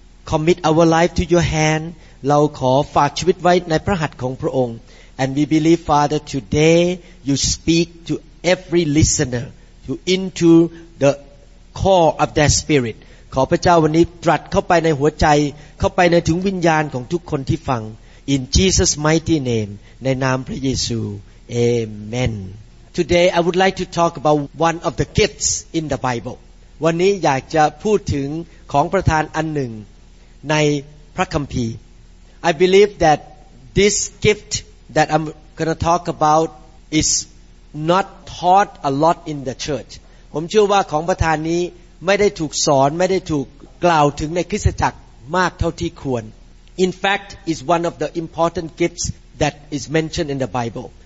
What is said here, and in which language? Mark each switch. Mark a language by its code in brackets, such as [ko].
[en] commit our life to your hand [th] เราขอฝากชีวิตไว้ในพระหัตถ์ของพระองค์ [en] And we believe Father today you speak to every listener to into the core of their spirit [th] ขอพระเจ้าวันนี้ตรัสเข้าไปในหัวใจเข้าไปในถึงวิญญาณของทุกคนที่ฟัง [en] In Jesus' mighty name, [th] ในนามพระเยซู [en] Amen. Today, I would like to talk about one of the gifts in the Bible. [th] วันนี้อยากจะพูดถึงของประทานอันหนึ่งในพระคัมภีร์ [en] I believe that this gift that I'm going to talk about is not taught a lot in the church. [th] ผมเชื่อว่าของประทานนี้ไม่ได้ถูกสอนไม่ได้ถูกกล่าวถึงในคริสตจักรมากเท่าที่ควร [en] In fact, is one of the important gifts that is mentioned in the Bible.